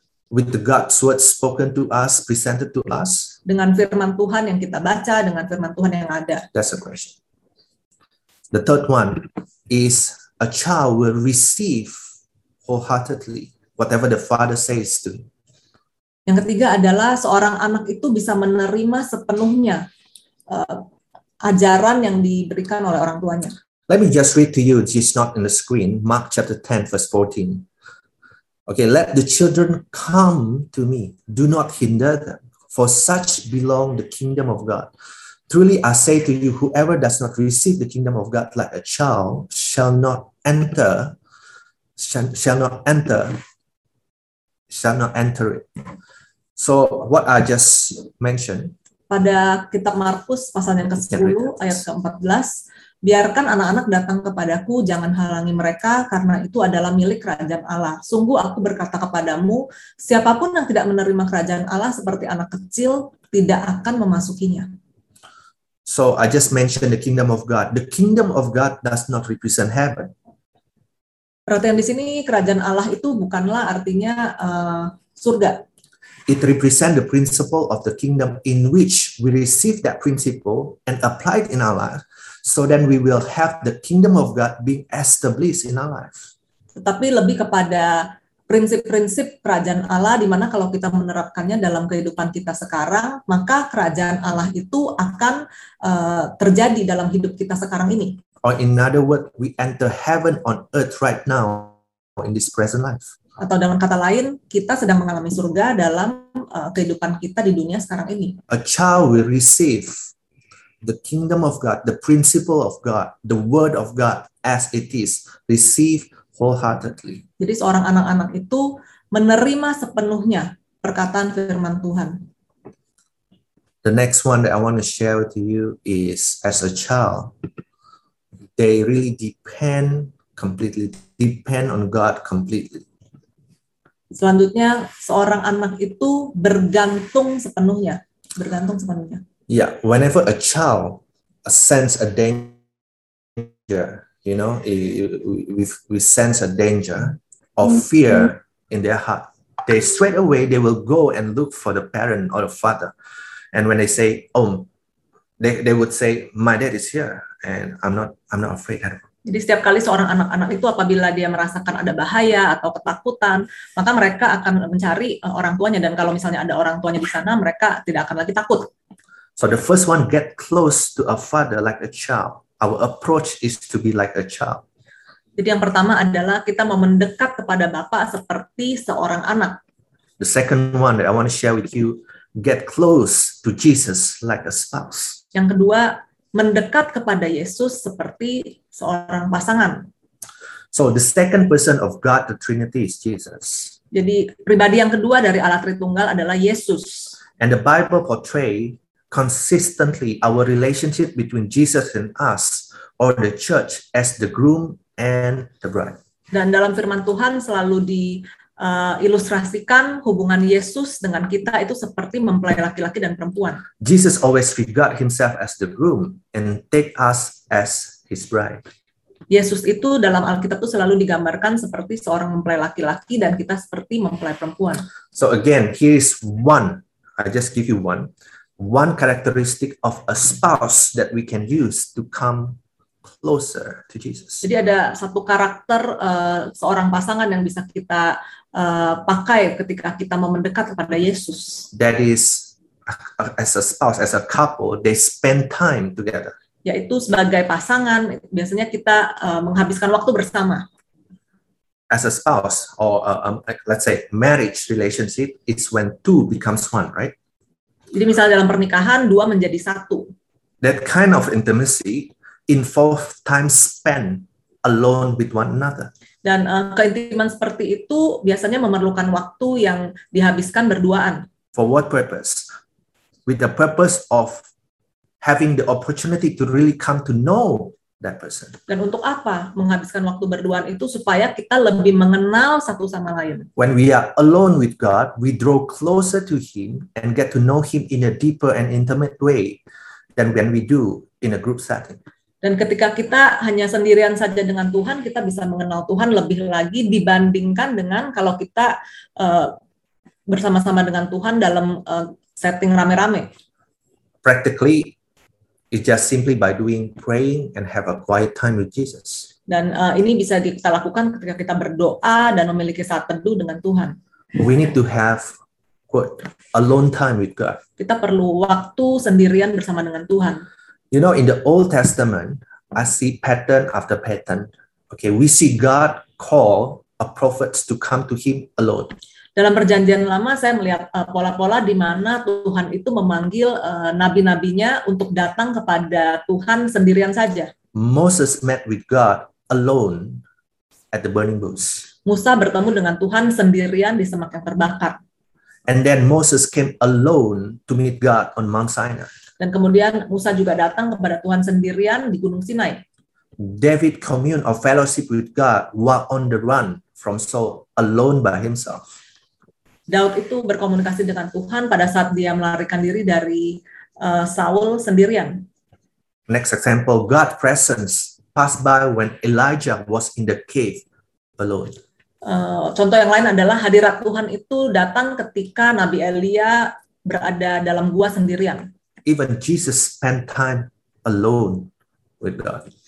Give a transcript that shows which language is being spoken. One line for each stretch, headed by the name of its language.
English: With the God's word spoken to us, presented to us.
Indonesian: Dengan firman Tuhan yang kita baca, dengan firman Tuhan yang ada.
English: That's a question. The third one is a child will receive wholeheartedly whatever the father says to him.
Indonesian: Yang ketiga adalah seorang anak itu bisa menerima sepenuhnya ajaran yang diberikan oleh orang tuanya.
English: Let me just read to you, it's not in the screen, Mark chapter 10 verse 14. Okay, let the children come to me, do not hinder them, for such belong the kingdom of God. Truly I say to you, whoever does not receive the kingdom of God like a child shall not enter it. So what I just mentioned.
Indonesian: Pada kitab Markus pasal yang ke-10 ayat ke-14, biarkan anak-anak datang kepadaku, jangan halangi mereka karena itu adalah milik kerajaan Allah. Sungguh aku berkata kepadamu, siapapun yang tidak menerima kerajaan Allah seperti anak kecil tidak akan memasukinya.
English: So I just mentioned the kingdom of God. The kingdom of God does not represent heaven.
Indonesian: Perhatian di sini, kerajaan Allah itu bukanlah artinya surga.
English: It represents the principle of the kingdom in which we receive that principle and apply it in our life, so then we will have the kingdom of God being established in our life.
Indonesian: Tetapi lebih kepada prinsip-prinsip kerajaan Allah, di mana kalau kita menerapkannya dalam kehidupan kita sekarang, maka kerajaan Allah itu akan terjadi dalam hidup kita sekarang ini.
English: Or in other word, we enter heaven on earth right now in this present life.
Indonesian: Atau dalam kata lain, kita sedang mengalami surga dalam kehidupan kita di dunia sekarang ini.
English: A child will receive the kingdom of God, the principle of God, the word of God as it is, receive wholeheartedly.
Indonesian: Jadi seorang anak-anak itu menerima sepenuhnya perkataan firman Tuhan.
English: The next one that I want to share with you is as a child, they really depend on God completely.
Indonesian: Selanjutnya, seorang anak itu bergantung sepenuhnya.
English: Yeah, whenever a child sense a danger, you know, we sense a danger or fear in their heart, they straight away they will go and look for the parent or the father, and when they say, oh, they would say, my dad is here and I'm not afraid at all.
Indonesian: Jadi setiap kali seorang anak-anak itu apabila dia merasakan ada bahaya atau ketakutan, maka mereka akan mencari orang tuanya, dan kalau misalnya ada orang tuanya di sana, mereka tidak akan lagi takut.
English: So the first one, get close to a father like a child. Our approach is to be like a child.
Indonesian: Jadi yang pertama adalah kita mau mendekat kepada Bapak seperti seorang anak.
English: The second one that I want to share with you, get close to Jesus like a spouse.
Indonesian: Yang kedua, mendekat kepada Yesus seperti seorang pasangan.
English: So the second person of God, the Trinity, is Jesus.
Indonesian: Jadi pribadi yang kedua dari Allah Tritunggal adalah Yesus.
English: And the Bible portray consistently our relationship between Jesus and us or the church as the groom and the bride.
Indonesian: Dan dalam firman Tuhan selalu diilustrasikan hubungan Yesus dengan kita itu seperti mempelai laki-laki dan perempuan.
English: Jesus always regard himself as the groom and take us as his bride.
Indonesian: Yesus itu dalam Alkitab itu selalu digambarkan seperti seorang mempelai laki-laki dan kita seperti mempelai perempuan.
English: So again, here is one. I just give you one. One characteristic of a spouse that we can use to come closer to Jesus.
Indonesian: Jadi ada satu karakter seorang pasangan yang bisa kita pakai ketika kita mau mendekat kepada Yesus.
English: That is, as a spouse, as a couple, they spend time together.
Indonesian: Yaitu sebagai pasangan, biasanya kita menghabiskan waktu bersama.
English: As a spouse, or let's say marriage relationship, it's when two becomes one, right?
Indonesian: Jadi misalnya dalam pernikahan, dua menjadi satu.
English: That kind of intimacy involves time spent alone with one another.
Indonesian: Dan keintiman seperti itu biasanya memerlukan waktu yang dihabiskan berduaan.
English: For what purpose? With the purpose of having the opportunity to really come to know that person.
Indonesian: Dan untuk apa menghabiskan waktu berduaan itu supaya kita lebih mengenal satu sama lain.
English: When we are alone with God, we draw closer to Him and get to know Him in a deeper and intimate way than when we do in a group setting.
Indonesian: Dan ketika kita hanya sendirian saja dengan Tuhan, kita bisa mengenal Tuhan lebih lagi dibandingkan dengan kalau kita bersama-sama dengan Tuhan dalam setting rame-rame.
English: Practically, it's just simply by doing praying and have a quiet time with Jesus.
Indonesian: Dan ini bisa kita lakukan ketika kita berdoa dan memiliki saat teduh dengan Tuhan.
English: We need to have quote alone time with God.
Indonesian: Kita perlu waktu sendirian bersama dengan Tuhan.
English: You know, in the Old Testament, I see pattern after pattern. Okay, we see God call a prophet to come to Him alone.
Indonesian: Dalam Perjanjian Lama, saya melihat pola-pola di mana Tuhan itu memanggil nabi-nabinya untuk datang kepada Tuhan sendirian saja.
English: Moses met with God alone at the burning bush.
Indonesian: Musa bertemu dengan Tuhan sendirian di semak yang terbakar.
English: And then Moses came alone to meet God on Mount Sinai.
Indonesian: Dan kemudian Musa juga datang kepada Tuhan sendirian di Gunung Sinai.
English: David communed or fellowship with God while on the run from Saul, alone by himself.
Indonesian: Daud itu berkomunikasi dengan Tuhan pada saat dia melarikan diri dari Saul sendirian.
English: Next example, God's presence passed by when Elijah was in the cave alone.
Indonesian: Contoh yang lain adalah hadirat Tuhan itu datang ketika Nabi Elia berada dalam gua sendirian.
English: Even Jesus spent time alone with God.